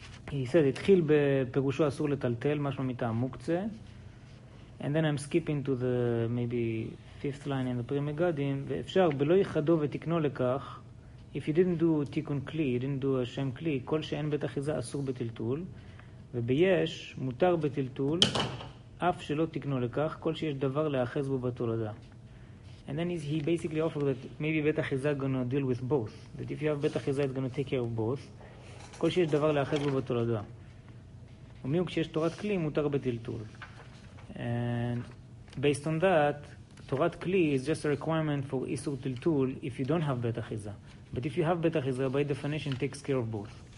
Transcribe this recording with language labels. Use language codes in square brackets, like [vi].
[en] He said, [he] "Itchil bePerusho Asur leTaltel, Mashma Mita Mukze." [en] And then I'm skipping to the maybe fifth line in the Pri Megadim. [he] "Veefshar beLo Yichado veTikno leKach." [en] If you didn't do Tikun Kli, you didn't do a Shem Kli, [he] Kol SheEn Bet Achiza Asur beTiltul. וביש מותר בטלטול אף שלא תקנו לכך כל שיש דבר לאחז בו בתולדה. [en] And then he basically offered that maybe בית אחיזה gonna deal with both, that if you have בית אחיזה it's gonna take care of both, [he] כל שיש דבר לאחז בו בתולדה, ומי הוא כשיש תורת כלי מותר בטלטול. [en] And based on that, תורת כלי is just a requirement for איסור טלטול if you don't have בית אחיזה, but if you have בית אחיזה, by definition takes care of both.